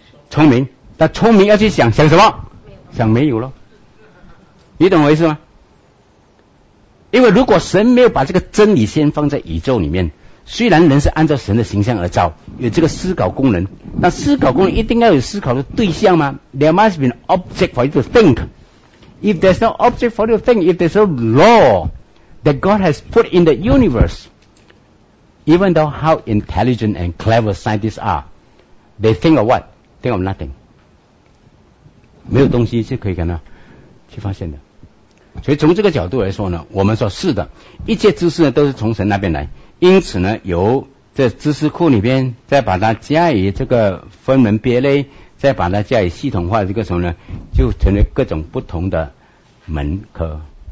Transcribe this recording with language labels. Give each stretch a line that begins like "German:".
Chinese: 聪明，但聪明要去想，想什么？想没有咯。你懂我意思吗？因为如果神没有把这个真理先放在宇宙里面，虽然人是按照神的形象而造，有这个思考功能，那思考功能一定要有思考的对象吗？
English: There must be an object for you to think. If there's no object for you to think, if there's no law that God has put in the universe, even though how intelligent and clever scientists are, they think of what? Think of nothing，
Chinese: 没有东西是可以跟他去发现的。所以从这个角度来说呢，我们说是的，一切知识呢都是从神那边来，因此呢由这知识库里边再把它加以这个分门别类，再把它加以系统化，这个时候呢就成为各种不同的门科。